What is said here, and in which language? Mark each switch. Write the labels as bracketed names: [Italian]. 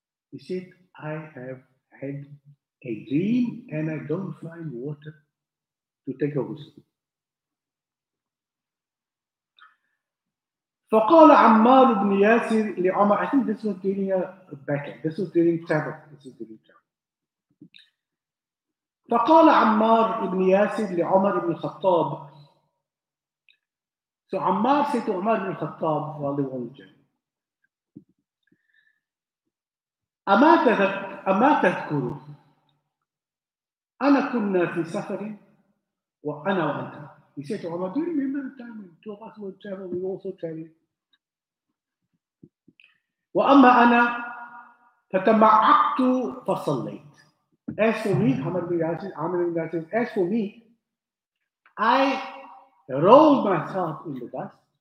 [English] He said, I have had a dream and I don't find water to take a ghusl. [Arabic] Faqala Ammar ibn Yasir li Umar. [English] I think this was during a battle. This was during travel. [Arabic] فقال عمار بن ياسر لعمر بن الخطاب. [English] So عمار said to عمر بن الخطاب [Arabic] رضي الله عنه. أما تذكر أنا كنا في سفر وأنا وأنت. [English] He said to عمر, do you remember the time when two of us were traveling? We also traveled. [Arabic] وأما أنا فتمعقت فصليت. [English] As for me, Amr ibn Yasir, as for me, I rolled myself in the dust